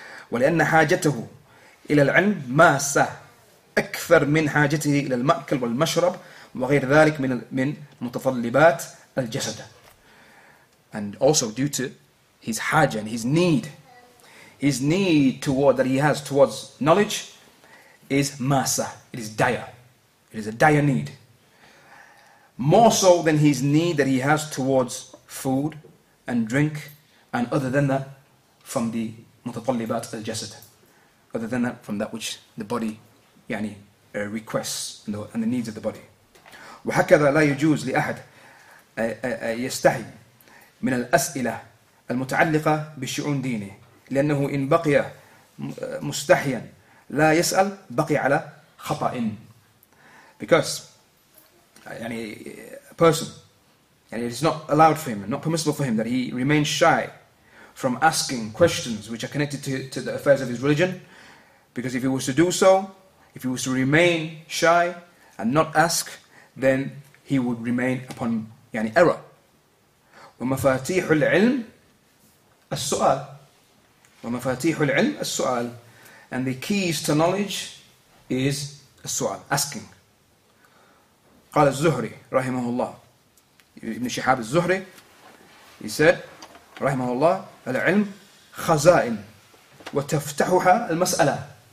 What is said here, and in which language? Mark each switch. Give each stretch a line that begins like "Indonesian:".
Arabic: ولأن حاجته إلى العلم ماسة أكثر من حاجته إلى المأكل والمشرب وغير ذلك من متطلبات الجسد.
English: And also due to his hajj and his need toward that he has towards knowledge is masa. It is dire. It is a dire need. More so than his need that he has towards food and drink and other than that from the
Arabic: mutatallibat al-jasad.
English: Other than that from that which the body yani requests and the needs of the body.
Arabic: وَحَكَذَا لَا يُجُوزْ لِأَحَدٍ يَسْتَحِي من الأسئلة المتعلقة بشؤون دينه لأنه إن بقي مستحيا لا يسأل بقي على خطأ.
English: Because يعني, a person يعني, it is not allowed for him, not permissible for him that he remains shy from asking questions which are connected to the affairs of his religion, because if he was to do so, if he was to remain shy and not ask, then he would remain upon يعني, error.
Arabic: ومفاتيح العلم السؤال. ومفاتيح العلم السؤال.
English: And the keys to knowledge is السؤال, asking.
Arabic: قال الزهري رحمه الله, ابن شهاب الزهري,
English: he said
Arabic: رحمه الله, العلم خزائن وتفتحها المسألة.